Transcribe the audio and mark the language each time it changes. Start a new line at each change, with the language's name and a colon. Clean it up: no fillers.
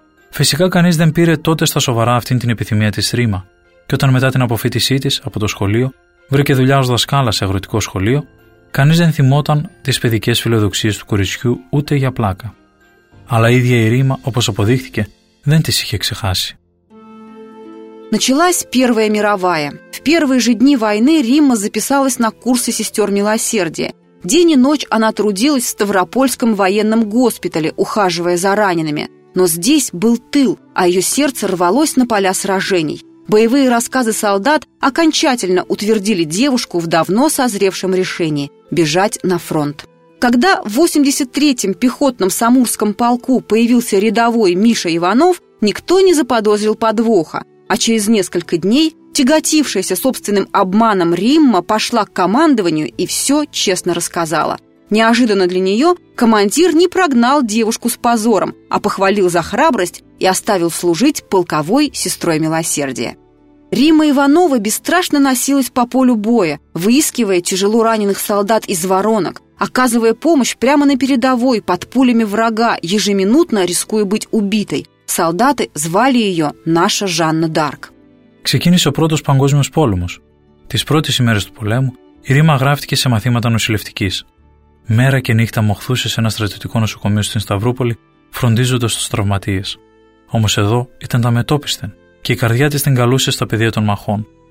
Greek: Φυσικά κανείς δεν πήρε τότε στα σοβαρά αυτήν την επιθυμία της Ρήμα. Και όταν μετά την αποφύτισή της από το σχολείο βρήκε δουλειά ως δασκάλα σε αγροτικό σχολείο, κανείς δεν θυμόταν τις παιδικές φιλοδοξίες του κοριτσιού ούτε για πλάκα. Αλλά η ίδια η Ρήμα, όπως αποδείχθηκε, δεν τις είχε ξεχάσει.
Russian: Началась Первая мировая. В первые же дни войны Римма записалась на курсы сестер милосердия. День и ночь она трудилась в Ставропольском военном госпитале, ухаживая за ранеными. Но здесь был тыл, а ее сердце рвалось на поля сражений. Боевые рассказы солдат окончательно утвердили девушку в давно созревшем решении – бежать на фронт. Когда в 83-м пехотном самурском полку появился рядовой Миша Иванов, никто не заподозрил подвоха. А через несколько дней тяготившаяся собственным обманом Римма пошла к командованию и все честно рассказала. Неожиданно для нее командир не прогнал девушку с позором, а похвалил за храбрость и оставил служить полковой сестрой милосердия. Римма Иванова бесстрашно носилась по полю боя, выискивая тяжело раненых солдат из воронок, оказывая помощь прямо на передовой под пулями врага, ежеминутно рискуя быть убитой. Солдаты звали ее «Наша Жанна Д'Арк».
Greek: Ξεκίνησε ο πρώτος παγκόσμιος πόλεμος. Τις πρώτες ημέρες του πολέμου, η Ρήμα γράφτηκε σε μαθήματα νοσηλευτικής. Μέρα και νύχτα μοχθούσε σε ένα στρατιωτικό νοσοκομείο στην Σταυρούπολη, φροντίζοντας τους τραυματίες. Όμως εδώ ήταν τα μετόπισθεν και η καρδιά της την καλούσε στα πεδία των μαχών.